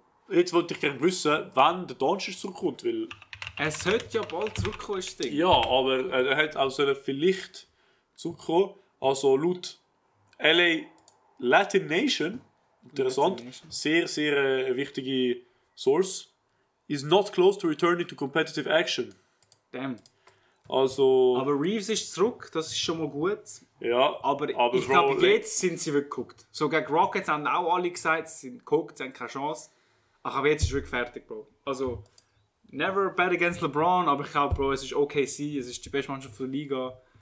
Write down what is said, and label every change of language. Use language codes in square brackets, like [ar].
[de] Jetzt wollte ich gerne wissen, wann der Doncic zurückkommt. Weil er sollte ja bald zurückkommen, ist das Ding. Ja, aber er hat auch also vielleicht zurückkommen. Also laut LA Latin Nation, interessant, Latin Nation. Sehr, sehr wichtige Source. [en] Is not close to returning to competitive action. Damn. [de] Also. Aber Reeves ist zurück, das ist schon mal gut. Ja, aber ich glaube, jetzt sind sie wirklich geguckt. So gegen Rockets haben auch alle gesagt, sie sind geguckt, sie haben keine Chance. Ach, aber jetzt ist wirklich fertig, Bro. Also, [en] never bet against LeBron, [de] aber ich glaube, Bro, es ist OKC, es ist die beste Mannschaft der Liga.